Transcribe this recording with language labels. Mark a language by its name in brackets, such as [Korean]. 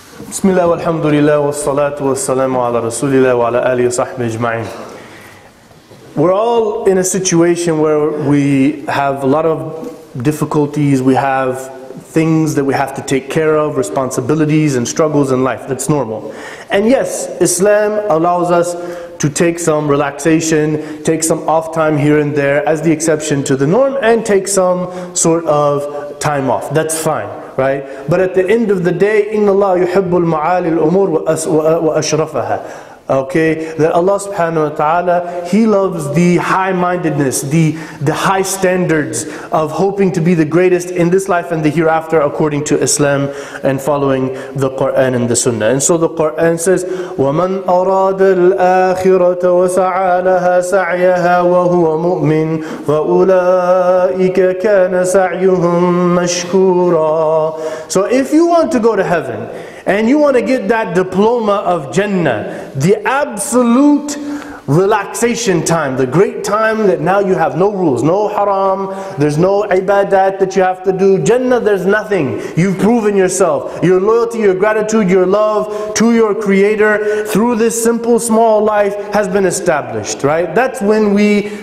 [Arabic] بسم الله والحمد لله والصلاة والسلام على رسول الله وعلى آله وصحبه أجمعين. [English] We're all in a situation where we have a lot of difficulties, we have things that we have to take care of, responsibilities and struggles in life. That's normal. And yes, Islam allows us to take some relaxation, take some off time here and there as the exception to the norm and take some sort of time off. That's fine. Right? But at the end of the day, [Arabic] إِنَّ اللَّهَ يُحِبُّ الْمَعَالِ الْأُمُورِ وَأَشْرَفَهَا. [English] Okay, that Allah subhanahu wa ta'ala, He loves the high-mindedness, the high standards of hoping to be the greatest in this life and the hereafter according to Islam and following the Qur'an and the Sunnah. And so the Qur'an says, [Arabic] وَمَنْ أَرَادَ الْآخِرَةَ وَسَعَى لَهَا سَعْيَهَا وَهُوَ مُؤْمِنْ فَأُولَٰئِكَ كَانَ سَعْيُهُمْ مَشْكُورًا. [English] So if you want to go to heaven, and you want to get that diploma of Jannah, the absolute relaxation time, the great time that now you have no rules, no haram, there's no ibadat that you have to do. Jannah, there's nothing. You've proven yourself. Your loyalty, your gratitude, your love to your Creator through this simple, small life has been established, right? That's when we